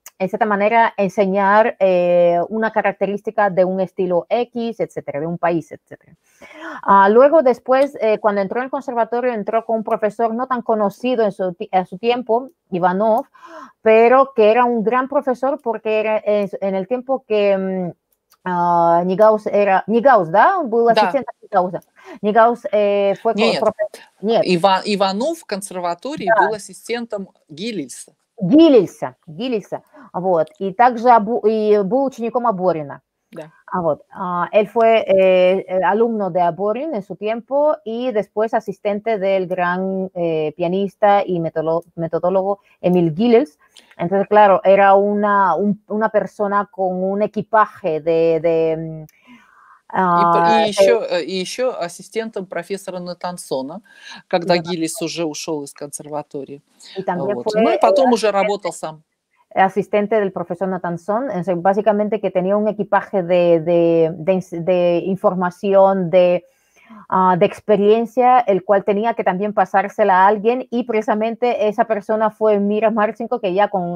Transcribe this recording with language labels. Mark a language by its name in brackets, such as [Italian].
[Spanish] En cierta manera, enseñar una característica de un estilo X, etcétera, de un país, etcétera. Luego, después, cuando entró en el conservatorio, entró con un profesor no tan conocido en su tiempo, Ivanov, pero que era un gran profesor porque era en el tiempo que Нейгауз, [Russian] да? Он был ассистентом Нейгауза. Нейгауз был профессором. Нет, Иванов в консерватории был ассистентом Гилельса. Гилельса. Вот. И также и был учеником Оборина. Да. Вот. [Spanish] Él fue alumno de Оборин en su tiempo y después asistente del gran pianista y metodólogo Emil Gilels. Entonces, claro, era una persona con un equipaje de [Russian] и еще ассистентом профессора Натансона, когда Гилельс уже ушел из консерватории. И потом работал сам. [Spanish] Asistente del profesor Natanzón, básicamente que tenía un equipaje de información, de experiencia, el cual tenía que también pasársela a alguien, y precisamente esa persona fue Mira Marcinko, que ya